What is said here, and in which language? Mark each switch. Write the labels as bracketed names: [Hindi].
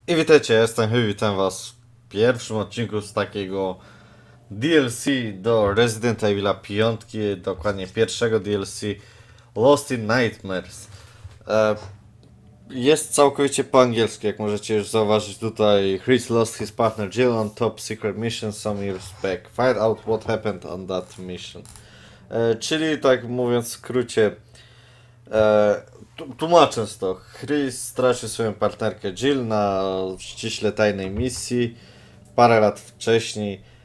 [Polish] I witajcie, jestem Hugh, witam was w pierwszym odcinku z takiego DLC do Resident Evil 5, dokładnie pierwszego DLC Lost in Nightmares. Jest całkowicie po angielsku, jak możecie już zauważyć tutaj. [English] Chris lost his partner Jill on top secret mission some years back. Find out what happened on that mission. [Polish] Czyli tak mówiąc w skrócie, tłumacząc to, Chris stracił swoją partnerkę Jill na ściśle tajnej misji parę lat wcześniej.